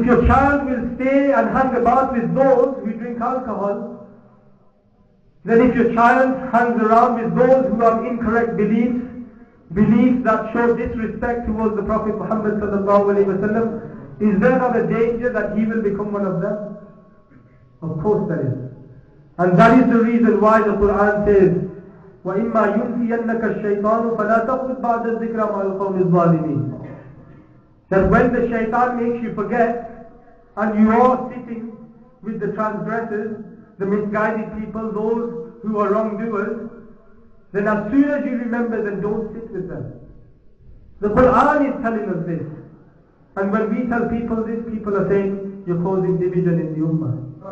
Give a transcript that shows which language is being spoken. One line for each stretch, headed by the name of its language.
English: If your child will stay and hang about with those who drink alcohol, then if your child hangs around with those who have incorrect beliefs, beliefs that show disrespect towards the Prophet Muhammad sallallahu alayhi wa sallam, is there not a danger that he will become one of them? Of course there is. And that is the reason why the Quran says,
Arabic: وَإِمَّا يُنْفِيَنَّكَ الشَّيْطَانُ فَلَا تَقُدْ بَعْدَ الذِّكْرَ مَا الْقَوْمِ الظَّالِمِينَ.
English: That when the shaitan makes you forget and you are sitting with the transgressors, the misguided people, those who are wrongdoers, then as soon as you remember, then don't sit with them. The Quran is telling us this. And when we tell people this, people are saying, you're causing division in the ummah.